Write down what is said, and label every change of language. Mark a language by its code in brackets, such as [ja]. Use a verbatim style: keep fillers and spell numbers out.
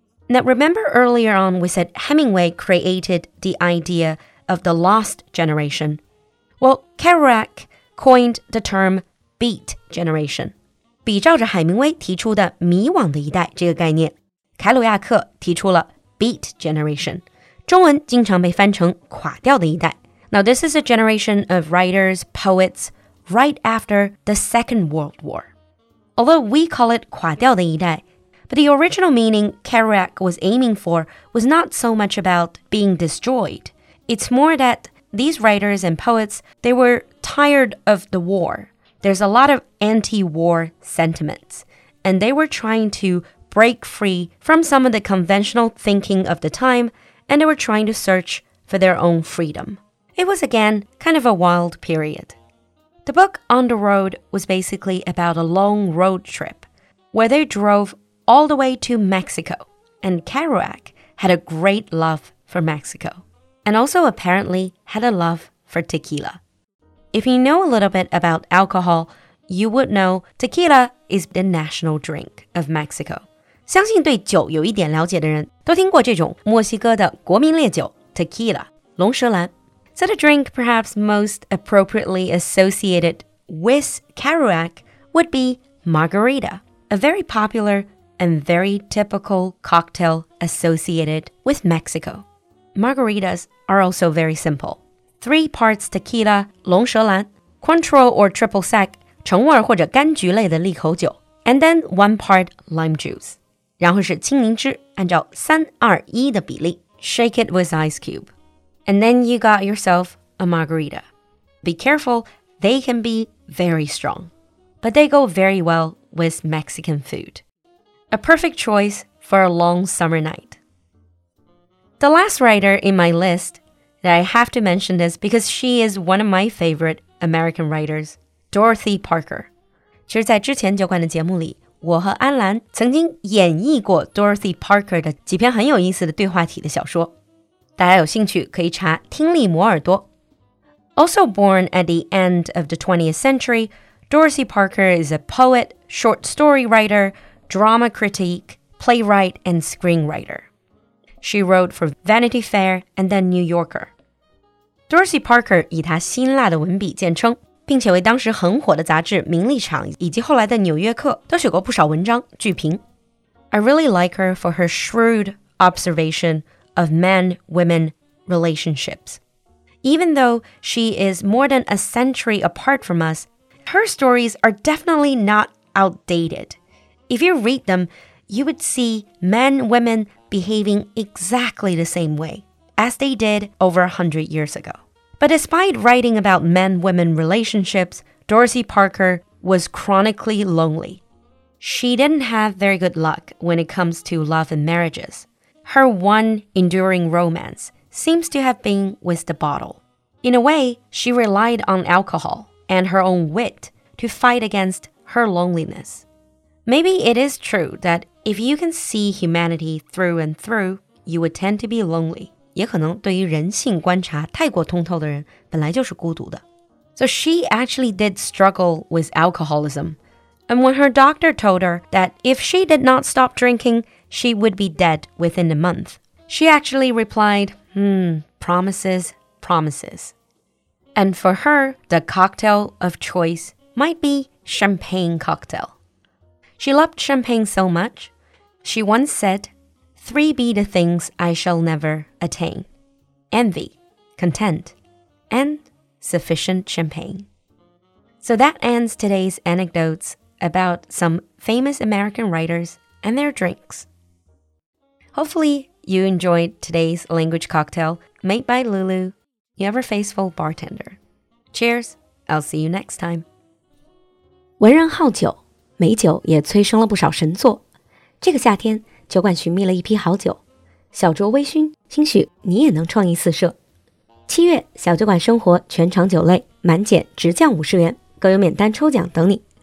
[en] Now remember earlier on we said Hemingway created the idea of the lost generation. Well, Kerouac coined the term beat generation. [zh] 比照着海明威提出的迷惘的一代这个概念，凯鲁亚克提出了 beat generation. 中文经常被翻成垮掉的一代。 [en] Now, this is a generation of writers, poets, right after the Second World War. Although we call it [zh] 垮掉的一代, [en] but the original meaning Kerouac was aiming for was not so much about being destroyed. It's more that these writers and poets, they were tired of the war. There's a lot of anti-war sentiments, and they were trying to break free from some of the conventional thinking of the time, and they were trying to search for their own freedom. It was, again, kind of a wild period. The book On the Road was basically about a long road trip, where they drove all the way to Mexico, and Kerouac had a great love for Mexico. And also apparently had a love for tequila. If you know a little bit about alcohol, you would know tequila is the national drink of Mexico. [zh] 相信对酒有一点了解的人都听过这种墨西哥的国民烈酒 tequila, 龙舌兰。 [en] So the drink perhaps most appropriately associated with Kerouac would be margarita, a very popular and very typical cocktail associated with Mexico. Margaritas are also very simple. Three parts tequila, 龙舌兰, Cointreau or triple sec, [zh] 橙味或者柑橘类的利口酒, [en] and then one part lime juice. [zh] 然后是青柠汁,按照 [en] three two one [zh] 的比例, [en] shake it with ice cube. And then you got yourself a margarita. Be careful, they can be very strong. But they go very well with Mexican food. A perfect choice for a long summer night. The last writer in my list that I have to mention this because she is one of my favorite American writers Dorothy Parker. [zh] 其实在之前酒馆的节目里，我和安澜曾经演绎过 Dorothy Parker 的几篇很有意思的对话体的小说，大家有兴趣可以查听力磨耳朵。 [en] Also born at the end of the twentieth century, Dorothy Parker is a poet, short story writer, drama critic, playwright, and screenwriter. She wrote for Vanity Fair and The New Yorker. [zh] Dorothy Parker 以她辛辣的文笔见称，并且为当时很火的杂志《名利场》以及后来的《纽约客》都写过不少文章剧评。 [en] I really like her for her shrewd observation of men-women relationships. Even though she is more than a century apart from us, her stories are definitely not outdated. If you read them, you would see men-women behaving exactly the same way as they did over one hundred years ago. But despite writing about men-women relationships, Dorothy Parker was chronically lonely. She didn't have very good luck when it comes to love and marriages. Her one enduring romance seems to have been with the bottle. In a way, she relied on alcohol and her own wit to fight against her loneliness. Maybe it is true that if you can see humanity through and through, you would tend to be lonely. [zh] 也可能对于人性观察太过通透的人本来就是孤独的。 [en] So she actually did struggle with alcoholism. And when her doctor told her that if she did not stop drinking, she would be dead within a month, she actually replied, hmm, promises, promises. And for her, the cocktail of choice might be champagne cocktail. She loved champagne so much, she once said,Three be the things I shall never attain. Envy, content, and sufficient champagne. So that ends today's anecdotes about some famous American writers and their drinks. Hopefully, you enjoyed today's language cocktail made by Lulu, your ever faithful bartender. Cheers, I'll see you next time. [zh] 文人好酒，美酒也催生了不少神作。这个夏天酒馆寻觅了一批好酒，小酌微醺，兴许你也能创意四射。七月小酒馆生活全场酒类满减直降五十元，更有免单抽奖等你。